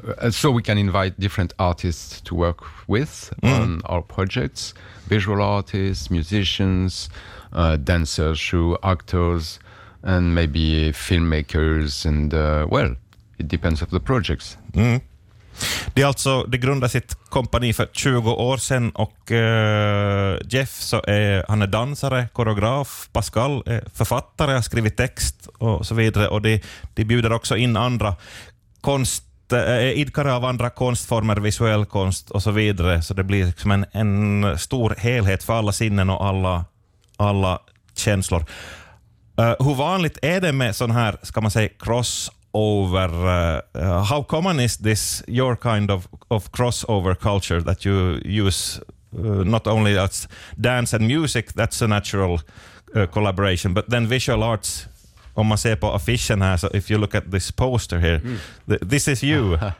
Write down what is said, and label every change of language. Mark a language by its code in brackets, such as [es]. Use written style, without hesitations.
[en] so we can invite different artists to work with on our projects, visual artists, musicians, dancers, show actors, and maybe filmmakers, and it depends on the projects. Mm. [sv] Det är alltså, det grundade sitt kompani för 20 år sedan, och Jeff, så är han är dansare, koreograf, Pascal är författare, har skrivit text och så vidare, och de bjuder också in andra konst, idkare av andra konstformer, visuell konst och så vidare, så det blir liksom en stor helhet för alla sinnen och alla känslor. Hur vanligt är det med sån här, ska man säga, crossover? [en] How common is this, your kind of crossover culture that you use, not only as dance and music, that's a natural collaboration, but then visual arts, [sv] om man ser på affischen här, [en] so if you look at this poster here, this is you.